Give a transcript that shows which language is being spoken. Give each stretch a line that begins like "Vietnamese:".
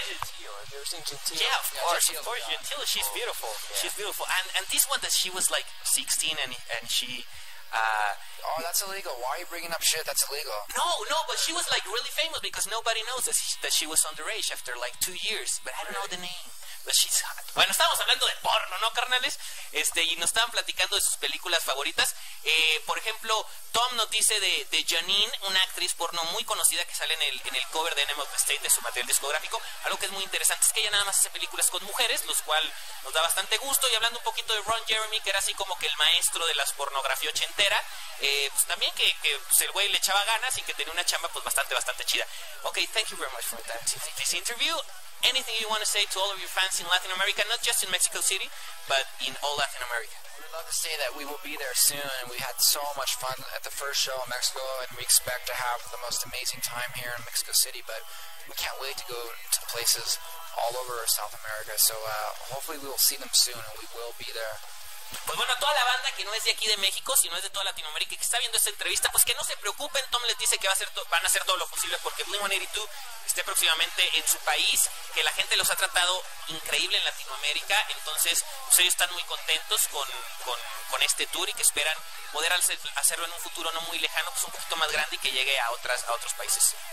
English: Yeah, of course. Gentile, she's beautiful. Yeah. She's beautiful. And this one that she was like 16 and she... Oh, that's illegal. Why are you bringing up shit that's illegal? No, but she was like really famous because nobody knows that she was underage after like 2 years. But I don't know the name. But she's hot.
Spanish: Bueno, estamos hablando de porno, ¿no, carnales? Y nos estaban platicando de sus películas favoritas. Por ejemplo, Tom nos dice de Janine, una actriz porno muy conocida que sale en el cover de Enemy of the State de su material discográfico. Algo que es muy interesante es que ella nada más hace películas con mujeres, lo cual nos da bastante gusto. Y hablando un poquito de Ron Jeremy, que era así como que el maestro de la pornografía ochentera, pues también que pues el güey le echaba ganas y que tenía una chamba pues bastante, bastante chida.
English: Ok, thank you very much for that. This interview. Anything you want to say to all of your fans in Latin America, not just in Mexico City, but in all Latin America? We'd love to say that we will be there soon. We had so much fun at the first show in Mexico, and we expect to have the most amazing time here in Mexico City, but we can't wait to go to places all over South America. So hopefully we will see them soon, and we will be there.
Spanish: Pues bueno, toda la banda que no es de aquí de México, sino es de toda Latinoamérica y que está viendo esta entrevista, pues que no se preocupen. Tom les dice que van a hacer todo lo posible porque Blink-182 esté próximamente en su país, que la gente los ha tratado increíble en Latinoamérica. Entonces, pues ellos están muy contentos con este tour y que esperan poder hacerlo en un futuro no muy lejano, pues un poquito más grande y que llegue a otros países.